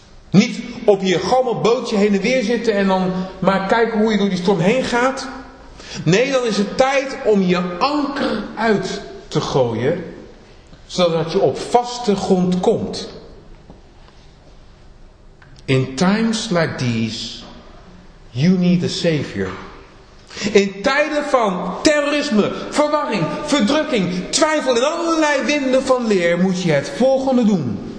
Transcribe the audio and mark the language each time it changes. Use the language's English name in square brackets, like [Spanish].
[Dutch] Niet op je gamme bootje heen en weer zitten en dan maar kijken hoe je door die storm heen gaat. Nee, dan is het tijd om je anker uit te gooien, zodat je op vaste grond komt. [English] In times like these, you need a savior. [Dutch] In tijden van terrorisme, verwarring, verdrukking, twijfel en allerlei winden van leer moet je het volgende doen.